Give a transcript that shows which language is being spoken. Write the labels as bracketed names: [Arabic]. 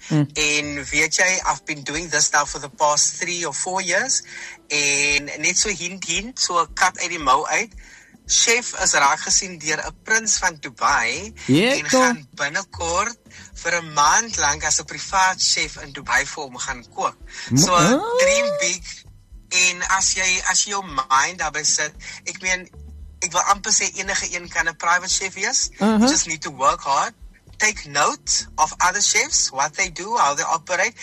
[Afrikaans] En weet jy, [English] I've been doing this now for the past 3 or 4 years. [Afrikaans] En net so hint, so a kat uit die mouw uit. Chef is raak gesien deur 'n prins van Dubai en gaan binnekort vir 'n maand lank as 'n privaat chef in Dubai vir hom gaan kook. [English] So, dream big. [Afrikaans] En as jy jou mind daarby sit, ek meen, ek wil amper sê enige een kan 'n private chef wees. [English] You just need to work hard. Take note of other chefs, what they do, how they operate.